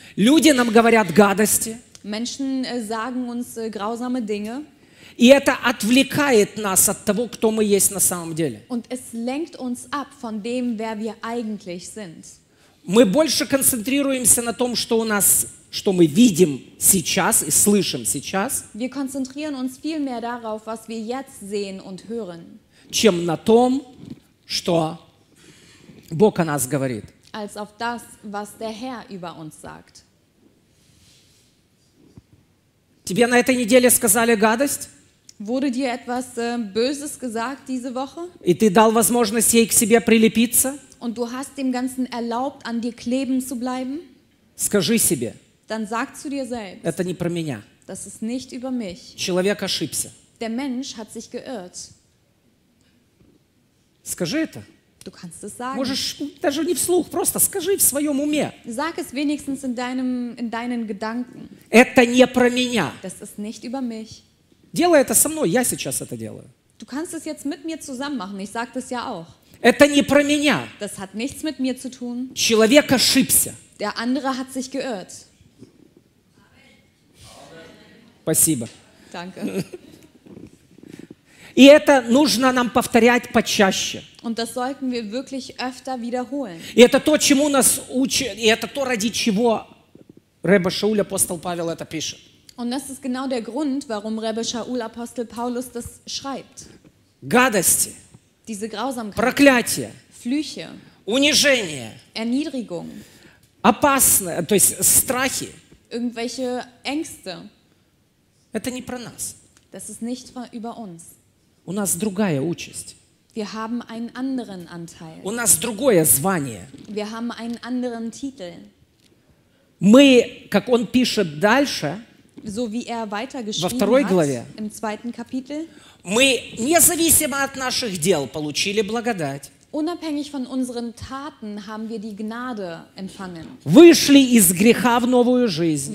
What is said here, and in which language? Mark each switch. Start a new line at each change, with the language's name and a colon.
Russian: Люди нам говорят гадости.
German: Menschen sagen uns grausame Dinge.
Russian: И это отвлекает нас от того, кто мы есть на самом деле.
German: Und es lenkt uns ab von dem, wer wir eigentlich sind.
Russian: Мы больше концентрируемся на том, что у нас что мы видим сейчас и слышим сейчас,
German: wir konzentrieren uns viel mehr darauf, was wir jetzt sehen und hören,
Russian: чем на том, что Бог о нас говорит.
German: Als auf das, was der Herr über uns sagt.
Russian: Тебе на этой неделе сказали гадость?
German: Wurde dir etwas Böses gesagt diese Woche?
Russian: И ты дал возможность ей к себе прилепиться?
German: Und du hast dem Ganzen erlaubt, an dir kleben zu bleiben?
Russian: Скажи себе.
German: Dann sag zu dir selbst,
Russian: это не про меня.
German: Das ist nicht über mich.
Russian: Человек ошибся.
German: Der Mensch hat sich geirrt.
Russian: Скажи это.
German: Du kannst es sagen.
Russian: Можешь даже не вслух, просто скажи в своем уме.
German: Sag es wenigstens in deinen Gedanken.
Russian: Это не про меня.
German: Das ist nicht über mich.
Russian: Делай это со мной, я сейчас это делаю.
German: Du kannst es jetzt mit mir zusammen machen, ich sag das ja auch.
Russian: Это не про меня.
German: Das hat nichts mit mir zu tun.
Russian: Человек ошибся.
German: Der andere hat sich geirrt.
Russian: Спасибо.
German: Danke.
Russian: И это нужно нам повторять почаще.
German: Und das sollten wir wirklich öfter wiederholen.
Russian: И это то, чему нас учат, и это то, ради чего Ребе Шауль апостол Павел это пишет.
German: Und das ist genau der Grund, warum Ребе Шауль апостол Паулус das schreibt.
Russian: Гадости.
German: Diese Grausamkeit.
Russian: Проклятие.
German: Flüche.
Russian: Унижение.
German: Erniedrigung.
Russian: Опасное, то есть страхи.
German: Irgendwelche Ängste.
Russian: Это не про нас.
German: Das ist nicht über uns.
Russian: У нас другая участь.
German: Wir haben einen anderen Anteil.
Russian: У нас другое звание.
German: Wir haben einen anderen Titel.
Russian: Мы, как он пишет дальше,
German: so wie er weitergeschrieben
Russian: во второй главе,
German: hat, im zweiten Kapitel,
Russian: мы независимо от наших дел получили благодать.
German: Unabhängig von unseren Taten haben wir die Gnade empfangen.
Russian: Вышли из греха в новую жизнь.